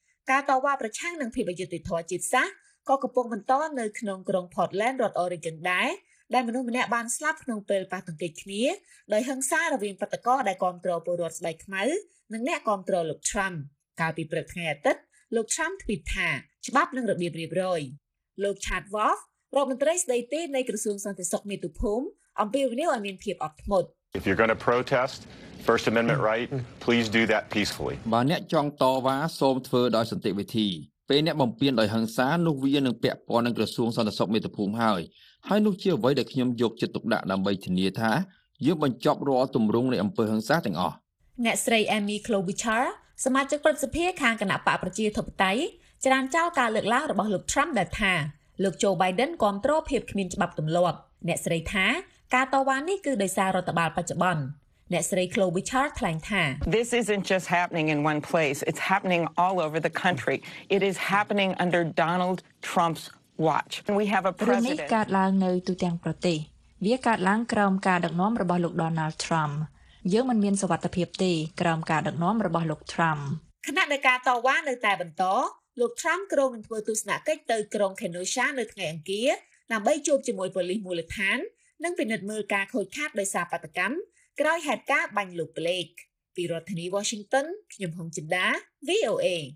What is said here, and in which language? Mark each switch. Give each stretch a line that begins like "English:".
Khmer: ការតវ៉ាប្រឆាំងនឹងភាពអយុត្តិធម៌ជាតិសាសន៍ក៏កំពុងបន្តនៅក្នុងក្រុង Portland រដ្ឋ Oregon ដែរដែលមនុស្សម្នាក់បានស្លាប់ក្នុងពេលប៉ះទង្គិចគ្នាដោយហិង្សារវាងបាតុករដែលគ្រប់គ្រងពលរដ្ឋស្បែកខ្មៅនិងអ្នកគ្រប់គ្រងលោក Trump កាលពីព្រឹកថ្ងៃអាទិត្យលោក Trump ទ្វីតថាច្បាប់និងរបៀបរៀបរយលោក Chad Wolf រដ្ឋមន្ត្រីស្ដីទីនៃក្រសួងសន្តិសុខមាតុភូមិអំពាវនាវឲ្យមានភាពអត់ធ្មត់
English: If you're going to protest First Amendment right please do that peacefully
Khmer: បើអ្នកចង់តវ៉ាសូមធ្វើដោយសន្តិវិធីពេលអ្នកបំពានដោយហិង្សានោះវានឹងពាក់ព័ន្ធនឹងក្រសួងសន្តិសុខមាតុភូមិហើយហើយនោះជាអ្វីដែលខ្ញុំយកចិត្តទុកដាក់ដើម្បីធានាថាយើងបញ្ចប់រាល់ទម្រង់នៃអំពើហិង្សាទាំងអស់អ្នកស្រី Amy Klobuchar សមាជិកប្រតិភូខាងគណៈបកប្រជាធិបតេយ្យច្រានចោលការលើកឡើងរបស់លោក Trump ដែលថាលោក Joe Biden គ្រប់គ្រងភាពគ្មានច្បាប់ទម្លាប់អ្នកស្រីថាការតវ៉ានេះគឺដោយសាររដ្ឋបាលបច្ចុប្បន្នអ្នកស្រី Klobuchar ថ្លែងថា
English: This isn't just happening in one place it's happening all over the country it is happening under Donald Trump's watch and we have a president
Khmer: កើតឡើងនៅទូទាំងប្រទេសវាកើតឡើងក្រោមការដឹកនាំរបស់លោក Donald Trump យើងមិនមានសុវត្ថិភាពទេក្រោមការដឹកនាំរបស់លោក Trump គណៈនៃការតវ៉ានៅតែបន្តលោក Trump គ្រោងនឹងធ្វើទស្សនកិច្ចទៅក្រុង Kenosha នៅថ្ងៃអង្គារដើម្បីជួបជាមួយប៉ូលីសមូលដ្ឋាននិងពិនិត្យមើលការខូចខាតដោយសារបាតកម្មក្រោយហេតុការណ៍បាញ់លោកប្លេកពីរដ្ឋធានី Washington ខ្ញុំហុងចិនដា VOA